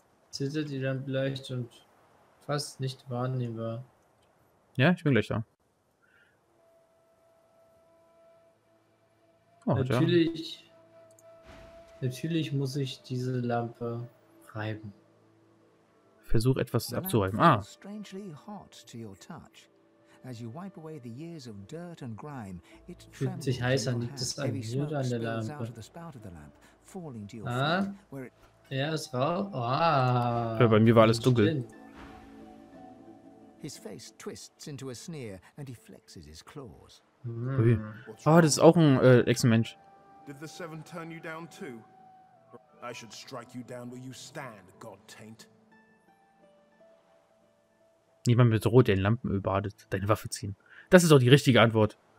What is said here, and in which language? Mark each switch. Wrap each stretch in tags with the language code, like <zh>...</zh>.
<de>Zittert die dann leicht und fast nicht wahrnehmbar. Ja, ich bin gleich da. Oh, natürlich. Ja. Natürlich muss ich diese Lampe. Versuch etwas abzureiben. Ah.</de> <en>Strangely hot to your touch. As you wipe away the years of dirt and grime,</en> <de>it fühlt sich heiß an, liegt es an mir oder an der Lampe? Ja, es war. Ah. Bei mir war alles dunkel.</de> <en>His face twists into a sneer and he flexes his claws.</en> <de>Ah, das ist auch ein Ex-Mensch.</de> <en>Did the seven turn you down too? I should strike you down where you stand, God Taint.</en> <de>Niemand mit Rot, der in Lampen badet. Deine Waffe ziehen. Das ist doch die richtige Antwort.</de>